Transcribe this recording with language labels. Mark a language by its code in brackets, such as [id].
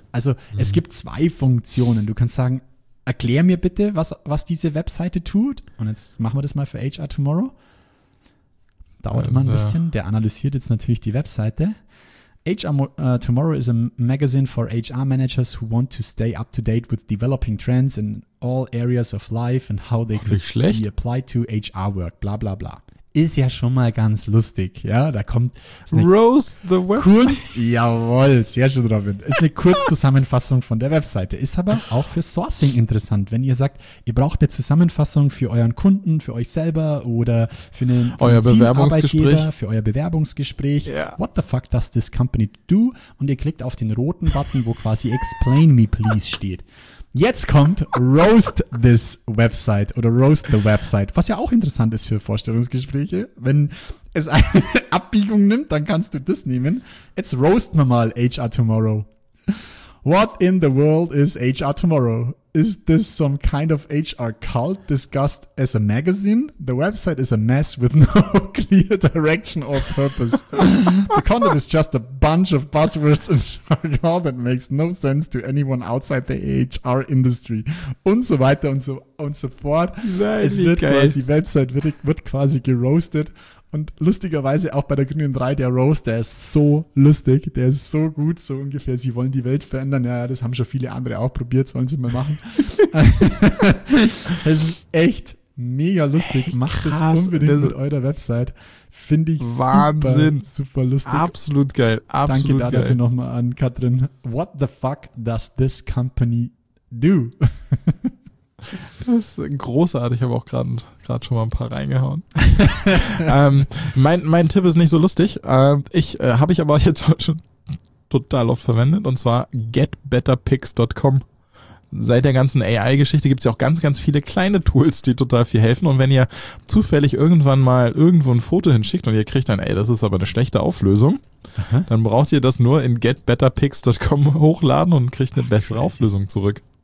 [de] Also es gibt zwei Funktionen. Du kannst sagen, erklär mir bitte, was diese Webseite tut. Und jetzt machen wir das mal für HR Tomorrow. Dauert immer ein bisschen. Der analysiert jetzt natürlich die Webseite. [en] HR Tomorrow is a magazine for HR managers who want to stay up to date with developing trends in all areas of life and how they could be applied to HR work. Bla bla bla. [de] ist ja schon mal ganz lustig, ja, da kommt [en] Rose the Website. [de] Jawohl, sehr schön, Robin. Ist eine Kurzzusammenfassung von der Webseite. Ist aber auch für Sourcing interessant, wenn ihr sagt, ihr braucht eine Zusammenfassung für euren Kunden, für euch selber oder für einen Bewerbungsgespräch. Für euer Bewerbungsgespräch. [en] Yeah. What the fuck does this company do? [de] Und ihr klickt auf den roten Button, wo quasi [en] Explain me please [de] steht. Jetzt kommt [en] Roast this Website [de] oder [en] Roast the Website, [de] was ja auch interessant ist für Vorstellungsgespräche. Wenn es eine Abbiegung nimmt, dann kannst du das nehmen. Jetzt roast wir mal HR Tomorrow. [en] What in the world is HR Tomorrow? Is this some kind of HR cult discussed as a magazine? The website is a mess with no clear direction or purpose. The content is just a bunch of buzzwords and jargon that makes no sense to anyone outside the HR industry. [de] Und so weiter und so fort. Es wird quasi, die Website wird quasi geroastet. Und lustigerweise auch bei der grünen 3, der Roast, der ist so lustig, der ist so gut, so ungefähr, sie wollen die Welt verändern, ja, das haben schon viele andere auch probiert, sollen sie mal machen. Das ist echt mega lustig, hey, macht krass, das unbedingt das mit eurer Website, finde ich Wahnsinn. Super lustig. Absolut geil, absolut Danke dafür nochmal an Katrin. [en] What the fuck does this company do? [de] Das ist großartig, ich habe auch gerade schon mal ein paar reingehauen. mein Tipp ist nicht so lustig, habe ich aber jetzt heute schon total oft verwendet, und zwar getbetterpics.com. Seit der ganzen AI-Geschichte gibt es ja auch ganz, ganz viele kleine Tools, die total viel helfen, und wenn ihr zufällig irgendwann mal irgendwo ein Foto hinschickt und ihr kriegt dann, ey, das ist aber eine schlechte Auflösung, Aha. Dann braucht ihr das nur in getbetterpics.com hochladen und kriegt eine bessere Auflösung zurück.